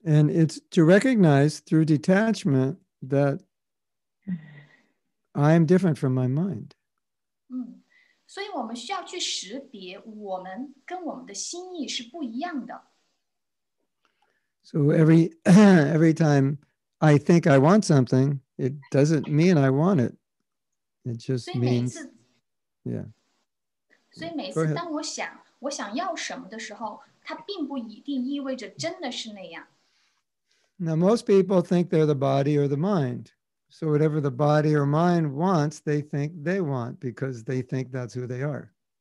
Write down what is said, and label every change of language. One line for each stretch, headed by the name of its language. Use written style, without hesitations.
English: it's to recognize through detachment that I am different from my mind.
Chinese: 所以我们需要去识别我们跟我们的心意是不一样的。
English: So every time I think I want something, it doesn't mean I want it. It just means, yeah.
Chinese: 所以每次当我想要什么的时候，它并不一定意味着真的是那样。
English: Now most people think they're the body or the mind. So whatever the body or mind wants, they think they want because they think that's who they are.